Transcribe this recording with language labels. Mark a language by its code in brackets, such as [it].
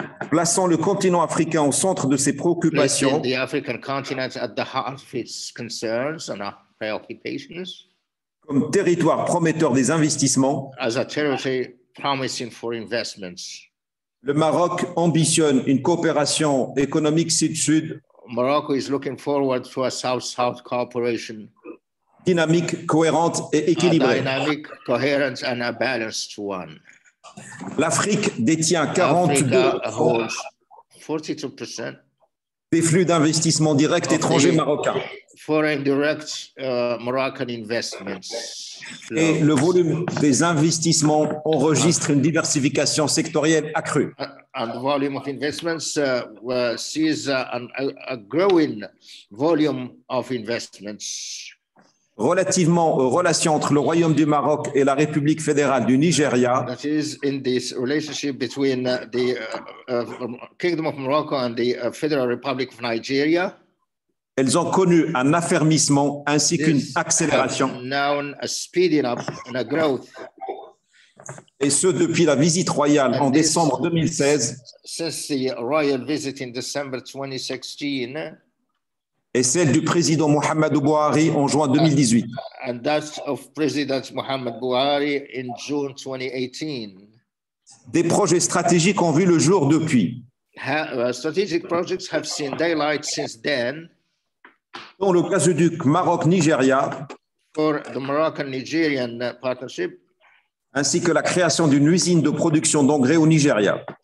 [fr] Plaçons le continent africain au centre de ses préoccupations. [en] Placing the African continent at the heart of its concerns and our preoccupations. [fr] Comme territoire prometteur des investissements, [en] as a territory promising for investments, [fr] le Maroc ambitionne une coopération économique sud-sud. [en] Morocco is looking forward to a south-south cooperation, [fr] dynamique, cohérente et équilibrée. [en] A dynamic, coherent and a balanced one. [fr] L'Afrique détient 42% des flux d'investissements directs étrangers marocains. [en] Foreign direct Moroccan investments. [fr] Et le volume des investissements enregistre une diversification sectorielle accrue. [en] And the volume of investments sees a growing volume of investments. [fr] Relativement aux relations entre le Royaume du Maroc et la République fédérale du Nigeria. [en] That is in this relationship between the Kingdom of Morocco and the Federal Republic of Nigeria. [fr] Elles ont connu un affermissement ainsi qu'une accélération. [en] Known a speeding up and a growth. [fr] Et ce depuis la visite royale en décembre 2016. [en] Since the royal visit in December 2016. [fr] Et celle du président Muhammadu Buhari en juin 2018. [en] And that of President Muhammad Buhari in June 2018. [fr] Des projets stratégiques ont vu le jour depuis. [en] Strategic projects have seen daylight since then. [fr] Dans le gazoduc Maroc-Nigéria, [en] for the Moroccan-Nigerian partnership, [fr] ainsi que la création d'une usine de production d'engrais au Nigeria,